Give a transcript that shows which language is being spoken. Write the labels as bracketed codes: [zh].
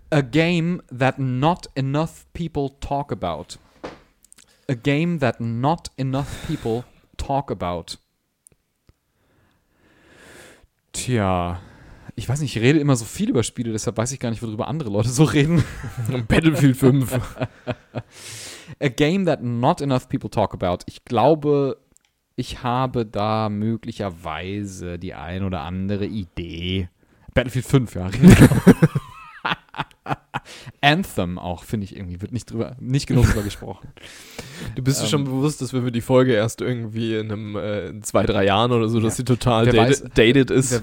[en] A game that not enough people talk about. A game that not enough people talk about. Tja. [de] Ich weiß nicht, ich rede immer so viel über Spiele, deshalb weiß ich gar nicht, worüber andere Leute so reden. Battlefield 5. [en] A game that not enough people talk about. [de] Ich glaube, ich habe da möglicherweise die ein oder andere Idee. Battlefield 5, ja. Anthem auch, finde ich irgendwie, wird nicht genug drüber gesprochen. Du bist dir schon bewusst, dass wenn wir die Folge erst irgendwie in 2-3 Jahren oder so, dass sie total dated ist.